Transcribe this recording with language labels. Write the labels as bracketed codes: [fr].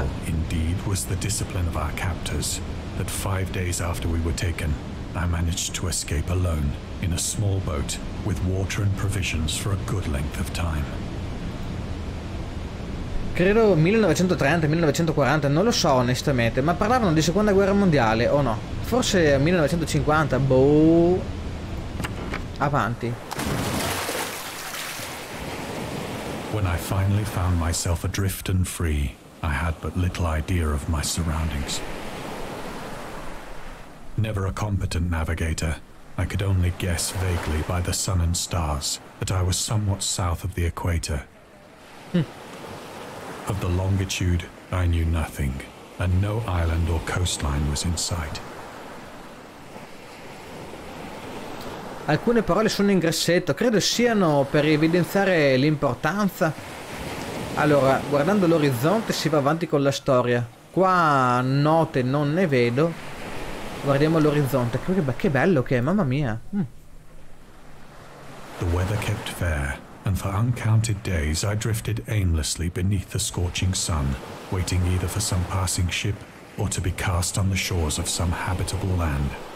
[en] So liberal, indeed, was the discipline of our captors that 5 days after we were taken, I managed to escape alone in a small boat with water and provisions for a good length of time. [it] Credo 1930, 1940, non lo so onestamente, ma parlavano di seconda guerra mondiale o no? Forse 1950, boh. Avanti. [en] When I finally found myself adrift and free, I had but little idea of my surroundings. Never a competent navigator, I could only guess vaguely by the sun and stars that I was somewhat south of the equator. Of the longitude, I knew nothing, and no island or coastline was in sight. [it] Alcune parole sono in grassetto, credo siano per evidenziare l'importanza. Allora, guardando l'orizzonte si va avanti con la storia. Qua note non ne vedo. Guardiamo l'orizzonte, che bello che è, mamma mia. [en] The weather kept fair, and for uncounted days I drifted aimlessly beneath the scorching sun, waiting either for some passing ship or to be cast on the shores of some habitable land.